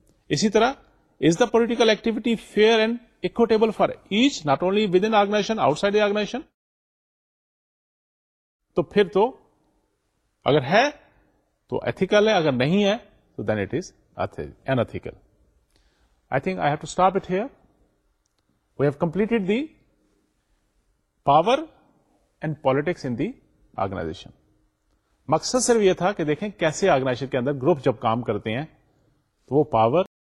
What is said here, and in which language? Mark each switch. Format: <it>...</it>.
<en>اسی طرح is the political activity fair and equitable for each, not only within organisation, outside the organisation,</en> <ur>تو پھر تو اگر ہے تو</ur> <en>Ethical ہے, اگر نہیں ہے تو then it is unethical. I think I have to stop it here. We have completed the power and politics in the organisation.</en> <ur>مقصد صرف یہ تھا کہ دیکھیں کیسے آرگنائزیشن کے اندر گروپ جب کام کرتے ہیں تو وہ پاور</ur>